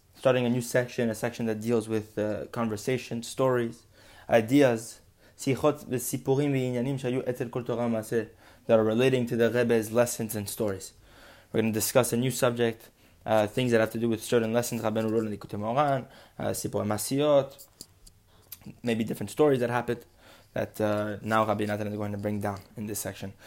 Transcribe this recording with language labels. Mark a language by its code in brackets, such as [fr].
[en] Starting a new section, a section that deals with conversation, stories, ideas. [he] Sichot וסיפורים ועניינים שהיו אצל כל תורה מעשה. [en] That are relating to the Rebbe's lessons and stories. We're going to discuss a new subject, things that have to do with certain lessons, Rabbeinu wrote in the Kutei Moran, Sipur Masiyot, maybe different stories that happened that now Rabbi Nathan is going to bring down in this section.